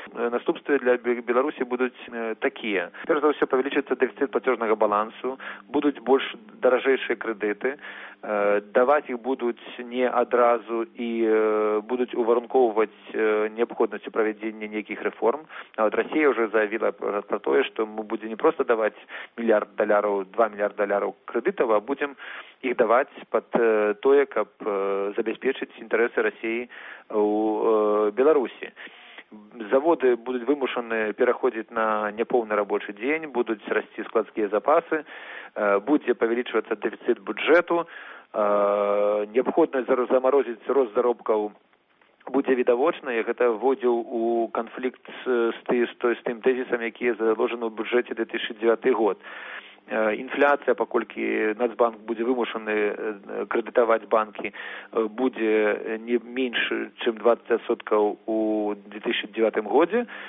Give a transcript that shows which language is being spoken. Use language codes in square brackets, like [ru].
[be] Наступствы для Беларусі будуць такія. Перш за ўсё павялічыцца дэфіцыт плацежнага балансу, будуць больш даражэйшыя крэдыты, даваць іх будуць не адразу і будуць уварунковаць неабходнасцю правядзення нейкіх рэформ. [ru] Вот Россия уже заявила про то, что мы будем не просто давать миллиард доляров, 2 миллиарда доляров кредитов, а будем их давать под то, как обеспечить интересы России у Беларуси. Заводы будут вымушены переходить на неполный рабочий день, будут расти складские запасы, будет увеличиваться дефицит бюджету, необходимо заморозить рост заробков. [be] Будзе відавочна, я гэта вводзіў у канфлікт з тым тезісам, які заложаны ў бюджэце 2009 год. Інфляцыя, паколькі Нацбанк будзе вымушаны крэдытаваць банкі, будзе не менш, чым 20% у 2009 годзе.